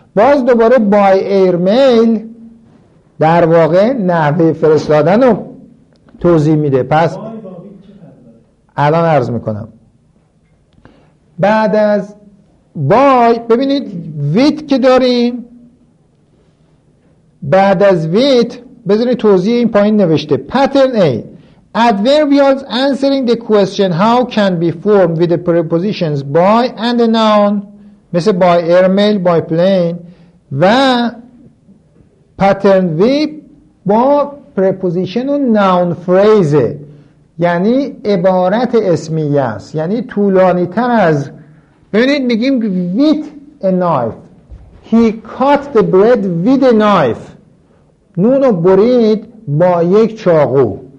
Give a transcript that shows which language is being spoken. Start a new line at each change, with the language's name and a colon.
Persian: باز دوباره by airmail در واقع نحوه فرستادن رو توضیح میده. پس الان عرض میکنم، بعد از by، ببینید with که داریم، بعد از with بذارید توضیح این پایین نوشته.
English: pattern A، adverbials answering the question how can be formed with the prepositions by and a noun، مثل by airmail، by plane.
Persian: و pattern V، با preposition و noun phrase، یعنی عبارت اسمیه است، یعنی طولانی تر از. ببینید میگیم with a knife،
English: he cut the bread with a knife،
Persian: نون رو برید با یک چاقو.